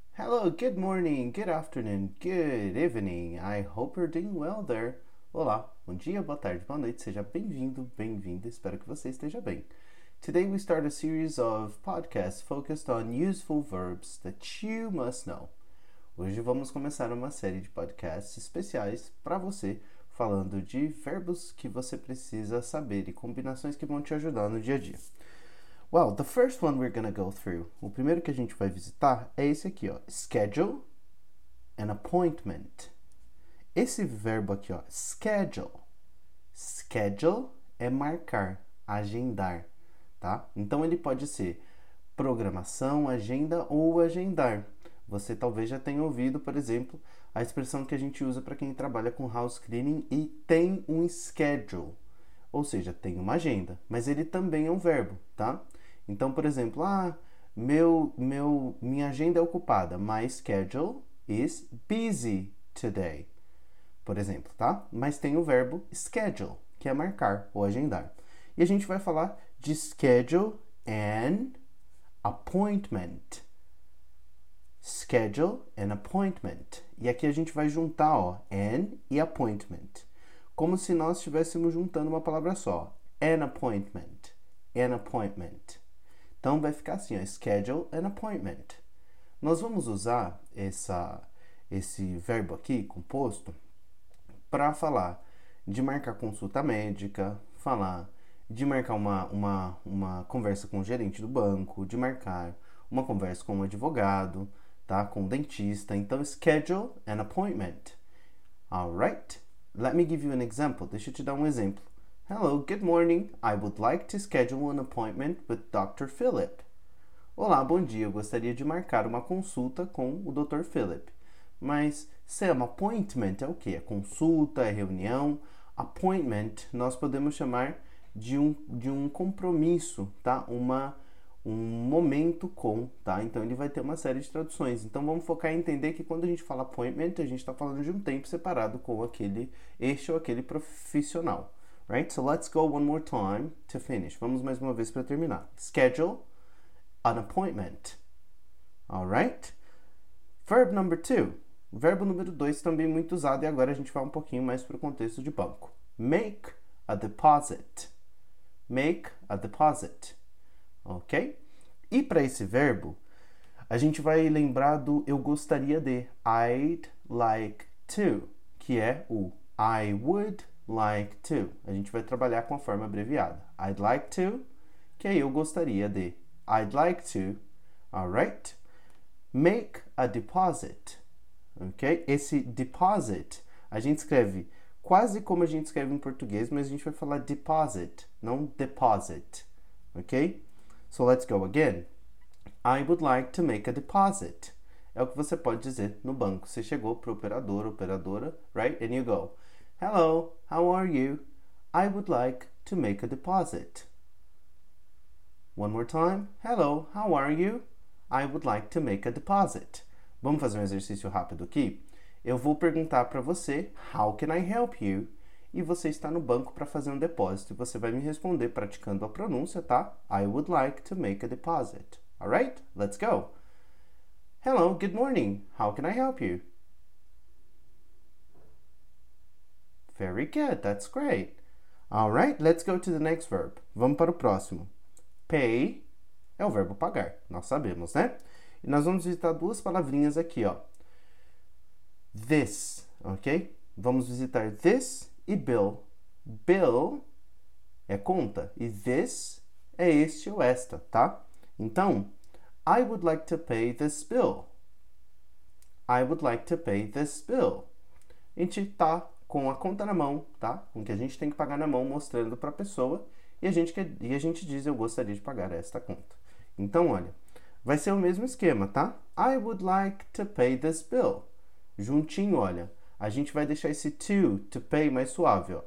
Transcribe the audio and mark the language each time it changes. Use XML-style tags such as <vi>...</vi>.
<en>Hello, good morning, good afternoon, good evening. I hope you're doing well there.</en> <pt>Olá, bom dia, boa tarde, boa noite, seja bem-vindo, bem-vinda, espero que você esteja bem.</pt> <en>Today we start a series of podcasts focused on useful verbs that you must know.</en> <pt>Hoje vamos começar uma série de podcasts especiais para você, falando de verbos que você precisa saber e combinações que vão te ajudar no dia a dia.</pt> <en>Well, the first one we're gonna go through,</en> <pt>o primeiro que a gente vai visitar é esse aqui, ó.</pt> <en>Schedule an appointment.</en> <pt>Esse verbo aqui, ó, schedule. Schedule é marcar, agendar, tá? Então ele pode ser programação, agenda ou agendar. Você talvez já tenha ouvido, por exemplo, a expressão que a gente usa para quem trabalha com house cleaning e tem um schedule. Ou seja, tem uma agenda, mas ele também é um verbo, tá? Então, por exemplo, minha agenda é ocupada.</pt> <en>My schedule is busy today.</en> <pt>Por exemplo, tá? Mas tem o verbo schedule, que é marcar ou agendar. E a gente vai falar de schedule an appointment. Schedule an appointment. E aqui a gente vai juntar, ó, an e appointment. Como se nós estivéssemos juntando uma palavra só. An appointment. An appointment. Então, vai ficar assim, ó,</pt> <en>schedule an appointment.</en> <pt>Nós vamos usar esse verbo aqui, composto, para falar de marcar consulta médica, falar de marcar uma conversa com o gerente do banco, de marcar uma conversa com um advogado, tá? Com um dentista. Então,</pt> <en>schedule an appointment. Alright? Let me give you an example.</en> <pt>Deixa eu te dar um exemplo.</pt> <en>Hello, good morning. I would like to schedule an appointment with Dr. Philip.</en> <pt>Olá, bom dia. Eu gostaria de marcar uma consulta com o Dr. Philip. Mas, Sam, appointment é o quê? É consulta, é reunião. Appointment, nós podemos chamar de um compromisso, tá? Um momento com, tá? Então, ele vai ter uma série de traduções. Então, vamos focar em entender que quando a gente fala appointment, a gente está falando de um tempo separado com este ou aquele profissional.</pt> <en>Right, so let's go one more time to finish.</en> <pt>Vamos mais uma vez para terminar.</pt> <en>Schedule an appointment. Alright? Verb number two.</en> <pt>Verbo número dois também muito usado e agora a gente vai um pouquinho mais para o contexto de banco.</pt> <en>Make a deposit. Make a deposit. Ok?</en> <pt>E para esse verbo, a gente vai lembrar do eu gostaria de.</pt> <en>I'd like to.</en> <pt>Que é o</pt> <en>I would like to.</en> <pt>A gente vai trabalhar com a forma abreviada.</pt> <en>I'd like to,</en> <pt>que aí eu gostaria de.</pt> <en>I'd like to. Alright? Make a deposit. Ok?</en> <pt>Esse deposit, a gente escreve quase como a gente escreve em português, mas a gente vai falar deposit, não deposit.</pt> <en>Ok? So let's go again. I would like to make a deposit.</en> <pt>É o que você pode dizer no banco. Você chegou para o operador, operadora, right?</pt> <en>And you go. Hello, how are you? I would like to make a deposit. One more time. Hello, how are you? I would like to make a deposit.</en> <pt>Vamos fazer um exercício rápido aqui? Eu vou perguntar para você,</pt> <en>how can I help you?</en> <pt>E você está no banco para fazer um depósito. E você vai me responder praticando a pronúncia, tá?</pt> <en>I would like to make a deposit. All right, let's go. Hello, good morning. How can I help you? Very good, that's great. All right, let's go to the next verb.</en> <pt>Vamos para o próximo. Pay é o verbo pagar, nós sabemos, né? E nós vamos visitar duas palavrinhas aqui, ó. This, ok? Vamos visitar this e bill. Bill é conta e this é este ou esta, tá?</pt> <en>Então, I would like to pay this bill. I would like to pay this bill.</en> <pt>A gente tá com a conta na mão, tá? Com o que a gente tem que pagar na mão, mostrando para a pessoa. E a gente diz, eu gostaria de pagar esta conta. Então, olha, vai ser o mesmo esquema, tá?</pt> <en>I would like to pay this bill.</en> <pt>Juntinho, olha, a gente vai deixar esse to pay mais suave, ó.</pt>